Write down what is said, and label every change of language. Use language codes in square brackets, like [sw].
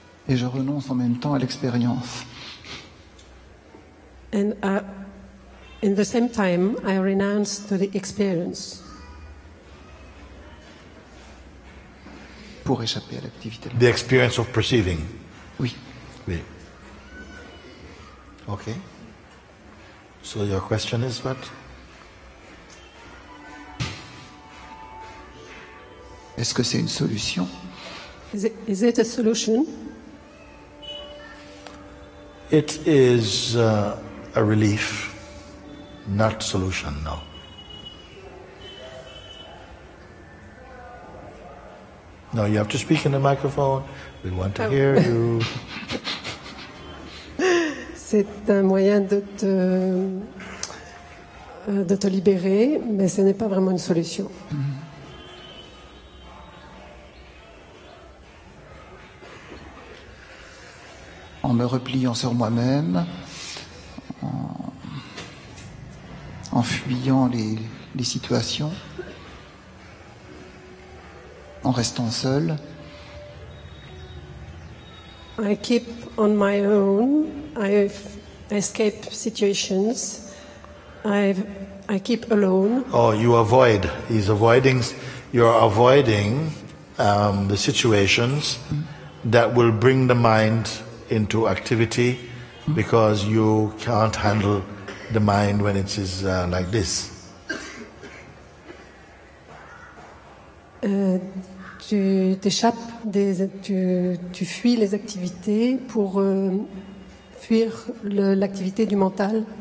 [fr] Et je renonce en même temps à l'expérience. [en] And in the same time, I renounce to the experience. [fr] Pour échapper à l'activité. [en] The experience of perceiving. [fr] Oui. Oui. [en] Okay. So your question is what? [fr] Est-ce que c'est une solution? [en] Is it a solution? It is a relief, not solution, no. No, you have to speak in the microphone. We want to hear you. [fr] C'est un moyen de te libérer, mais ce n'est pas vraiment une solution. En me repliant sur moi-même, en fuyant les situations, en restant seul. [en] I keep on my own. I escape situations. I keep alone. Oh, you avoid. He's avoiding. You're avoiding the situations that will bring the mind into activity because you can't handle the mind when it is like this. [fr] Tu t'échappes des tu fuis les activités pour fuir l'activité du mental.